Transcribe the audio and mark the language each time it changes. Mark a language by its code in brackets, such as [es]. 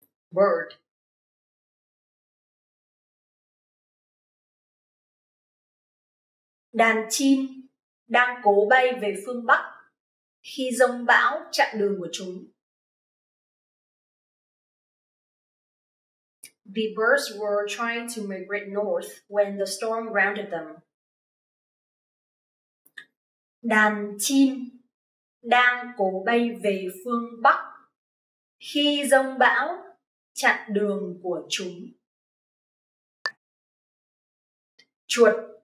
[en] Bird. [vi] Đàn chim đang cố bay về phương Bắc khi giông bão chặn đường của chúng. [en] The birds were trying to migrate north when the storm grounded them. [vi] Đàn chim đang cố bay về phương Bắc khi giông bão chặn đường của chúng. Chuột.